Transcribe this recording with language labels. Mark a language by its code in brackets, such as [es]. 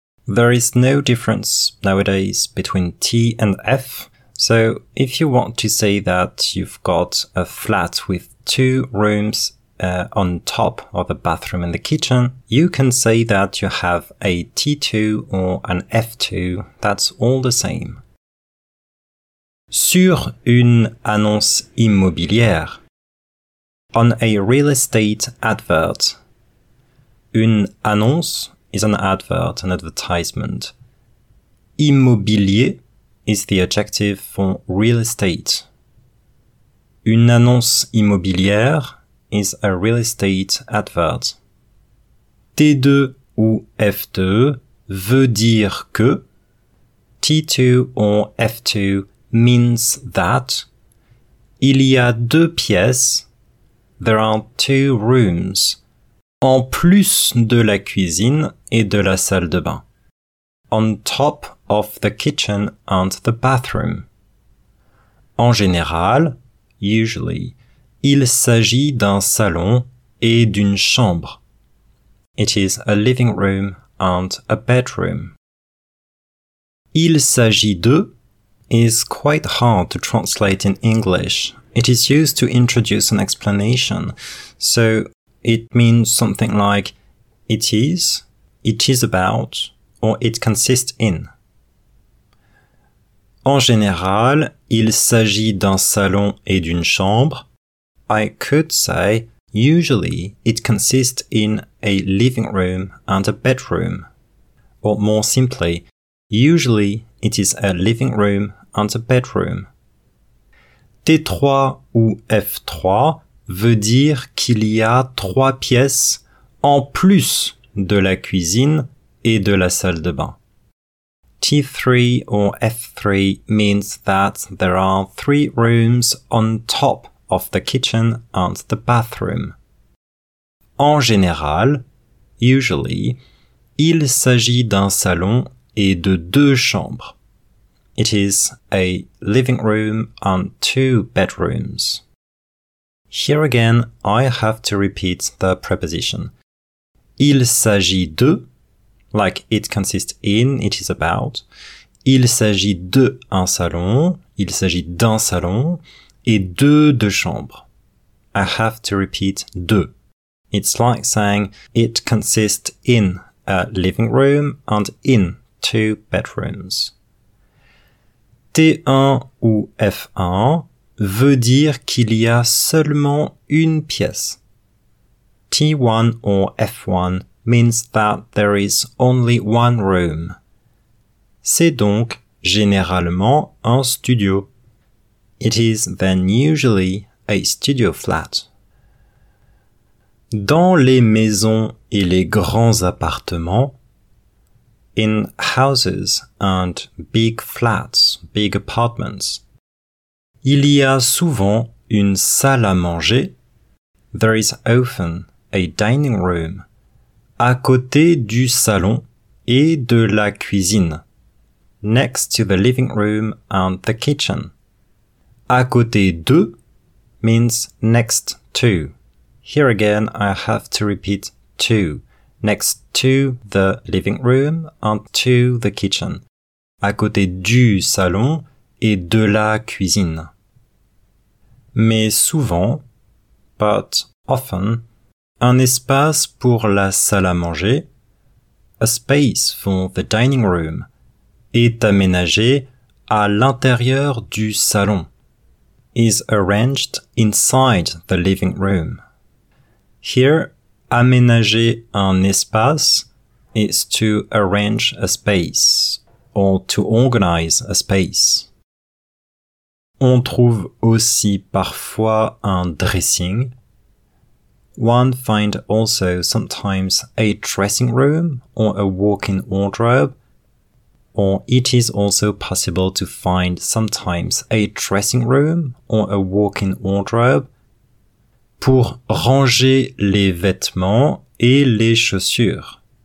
[en] There is no difference nowadays between T and F. So if you want to say that you've got a flat with two rooms on top of the bathroom and the kitchen, you can say that you have a T2 or an F2. That's all the same. [fr] Sur une annonce immobilière. [en] On a real estate advert. [fr] Une annonce [en] is an advert, an advertisement. Immobilier is the adjective for real estate. [fr] Une annonce immobilière [en] is a real estate advert. [fr] T2 ou F2 veut dire que. [en] T2 or F2 means that. [fr] Il y a deux pièces. [en] There are two rooms. [fr] En plus de la cuisine et de la salle de bain. [en] On top of the kitchen and the bathroom. [fr] En général, [en] usually, [fr] il s'agit d'un salon et d'une chambre. [en] It is a living room and a bedroom. [fr] Il s'agit de [en] is quite hard to translate in English. It is used to introduce an explanation. So it means something like it is about, or it consists in. [fr] En général, il s'agit d'un salon et d'une chambre. [en] I could say, usually, it consists in a living room and a bedroom. Or more simply, usually, it is a living room and a bedroom. [fr] T3 ou F3 veut dire qu'il y a trois pièces en plus de la cuisine et de la salle de bain. [en] T3 or F3 means that there are three rooms on top of the kitchen and the bathroom. [fr] En général, [en] usually, [fr] il s'agit d'un salon et de deux chambres. [en] It is a living room and two bedrooms. Here again, I have to repeat the preposition. [fr] Il s'agit de, [en] like it consists in, it is about. [fr] Il s'agit de un salon, il s'agit d'un salon, et de chambres. [en] I have to repeat de. It's like saying it consists in a living room and in two bedrooms. [fr] T1 ou F1 veut dire qu'il y a seulement une pièce. [en] T1 or F1 means that there is only one room. [fr] C'est donc généralement un studio. [en] It is then usually a studio flat. [fr] Dans les maisons et les grands appartements, [en] in houses and big flats, big apartments, [fr] il y a souvent une salle à manger, [en] there is often a dining room, [fr] à côté du salon et de la cuisine, [en] next to the living room and the kitchen. [fr] À côté de [en] means next to. Here again, I have to repeat to. Next to the living room and to the kitchen. [fr] À côté du salon et de la cuisine. Mais souvent, [en] but often, [fr] un espace pour la salle à manger, [en] a space for the dining room, [fr] est aménagé à l'intérieur du salon. [en] Is arranged inside the living room. Here, [fr] aménager un espace [en] is to arrange a space or to organize a space. [fr] On trouve aussi parfois un dressing. [en] One find also sometimes a dressing room or a walk-in wardrobe. or it is also possible to find sometimes a dressing room or a walk-in wardrobe [fr] pour ranger les vêtements et les chaussures.